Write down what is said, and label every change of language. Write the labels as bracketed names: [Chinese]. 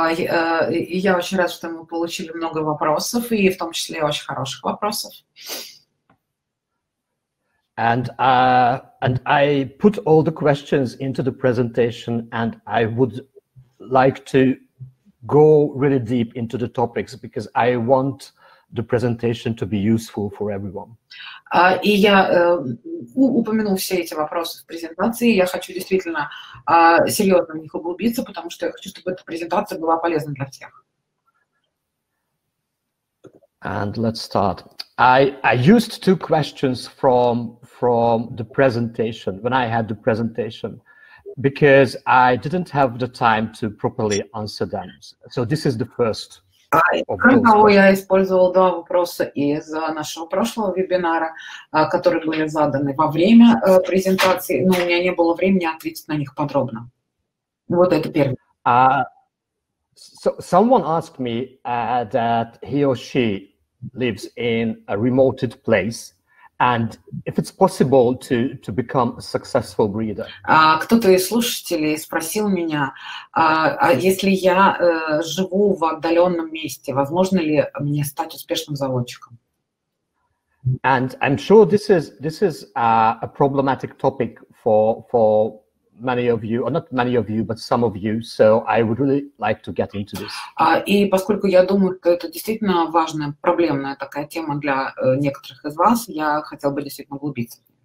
[Russian] Я очень рад, что мы получили много вопросов, и в том числе очень хороших вопросов. [English] And I put all the questions into the presentation, and I would like to go really deep into the topics because I want the presentation to be useful for everyone. [Russian] И я упомянул все эти вопросы в презентации, и я хочу действительно серьезно в них углубиться, потому что я хочу, чтобы эта презентация была полезна для всех. [English] And let's start. I used two questions from the presentation, when I had the presentation, because I didn't have the time to properly answer them. So this is the first. [Russian] Кроме того, я использовал два вопроса из нашего прошлого вебинара, которые были заданы во время презентации, но у меня не было времени ответить на них подробно. Вот это первое. [English] So someone asked me that he or she lives in a remote place, and if it's possible to become a successful breeder. [Russian] Кто-то из слушателей спросил меня, если я живу в отдаленном месте, возможно ли мне стать успешным заводчиком? [English] And I'm sure this is a problematic topic for many of you, or not many of you, but some of you, so I would really like to get into this. [Russian] И поскольку я думаю, что это действительно важная, проблемная такая тема для некоторых из вас, я хотел бы действительно углубиться.